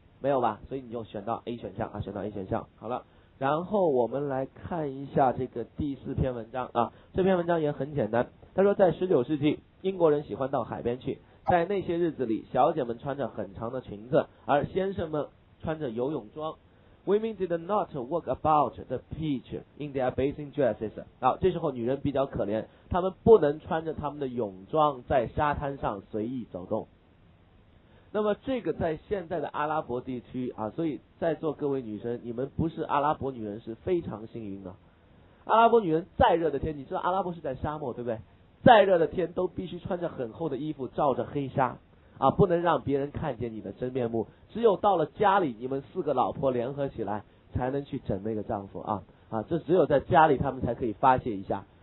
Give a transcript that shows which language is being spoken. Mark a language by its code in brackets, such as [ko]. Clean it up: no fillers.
[zh] 没有吧，所以你就选到 A 选项啊，选到 A 选项。好了，然后我们来看一下这个第四篇文章啊，这篇文章也很简单，他说在19世纪英国人喜欢到海边去，在那些日子里小姐们穿着很长的裙子，而先生们穿着游泳装。 [en] Women did not walk about the beach in their bathing dresses。 [zh] 好，这时候女人比较可怜，她们不能穿着她们的泳装在沙滩上随意走动。那么这个在现在的阿拉伯地区啊，所以在座各位女生，你们不是阿拉伯女人是非常幸运的。阿拉伯女人再热的天，你知道阿拉伯是在沙漠对不对，再热的天都必须穿着很厚的衣服罩着黑纱啊，不能让别人看见你的真面目，只有到了家里你们四个老婆联合起来才能去整那个丈夫啊啊，这只有在家里他们才可以发泄一下。